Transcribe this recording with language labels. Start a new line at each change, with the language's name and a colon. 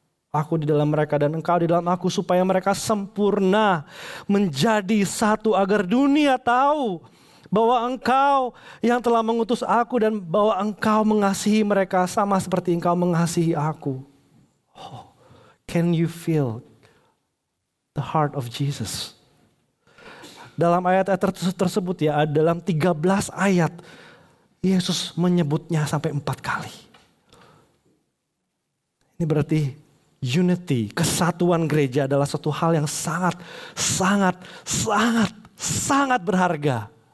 Indonesian: Aku di dalam mereka dan Engkau di dalam aku, supaya mereka sempurna menjadi satu, agar dunia tahu bahwa Engkau yang telah mengutus aku dan bahwa Engkau mengasihi mereka sama seperti Engkau mengasihi aku." Oh,
English: Can you feel the heart of Jesus?
Indonesian: Dalam ayat-ayat tersebut ya, dalam 13 ayat, Yesus menyebutnya sampai 4 kali. Ini berarti unity, kesatuan gereja adalah suatu hal yang sangat, sangat, sangat, sangat berharga.